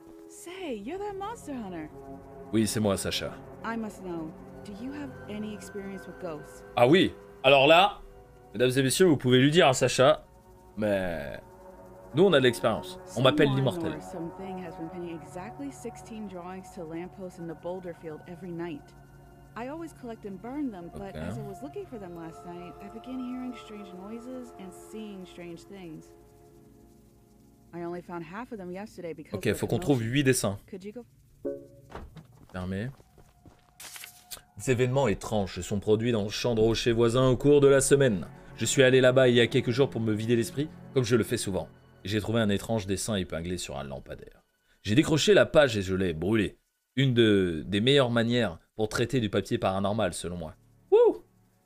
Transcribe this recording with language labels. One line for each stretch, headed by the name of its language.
English: Say, you're that monster hunter.
French: Oui, c'est moi, Sacha.
English: I must know. Do you have any experience with ghosts?
French: Ah oui. Alors là, mesdames et messieurs, vous pouvez lui dire à Sacha, mais nous, on a de l'expérience. On m'appelle l'immortel.
English: Something has been pinning exactly 16 drawings to lampposts in the boulder field every night. I always collect and burn them, but as I was looking for them last night, I began hearing strange noises and seeing strange things. I only found half of them yesterday because
French: OK, faut qu'on trouve 8 dessins. Fermé. Des événements étranges se sont produits dans le champ de rochers voisin au cours de la semaine. Je suis allé là-bas il y a quelques jours pour me vider l'esprit, comme je le fais souvent. J'ai trouvé un étrange dessin épinglé sur un lampadaire. J'ai décroché la page et je l'ai brûlé. Une des meilleures manières pour traiter du papier paranormal, selon moi. Wouh !